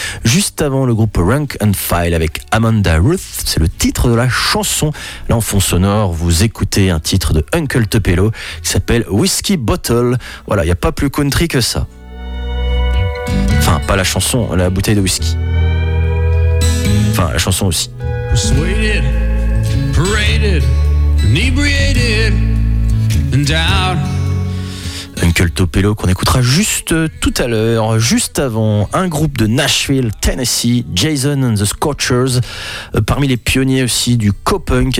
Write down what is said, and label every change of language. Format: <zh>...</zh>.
<fr>Juste avant, le groupe Rank and File avec Amanda Ruth, c'est le titre de la chanson. Là, en fond sonore, vous écoutez un titre de Uncle Tupelo qui s'appelle Whiskey Bottle. Voilà, il n'y a pas plus country que ça. Enfin, pas la chanson, la bouteille de whisky. Enfin, la chanson aussi.</fr> <en>Persuaded, paraded, inebriated, in doubt.</en> <fr>Uncle Tupelo qu'on écoutera juste tout à l'heure, juste avant un groupe de Nashville, Tennessee, Jason and the Scorchers, parmi les pionniers aussi du co-punk.</fr>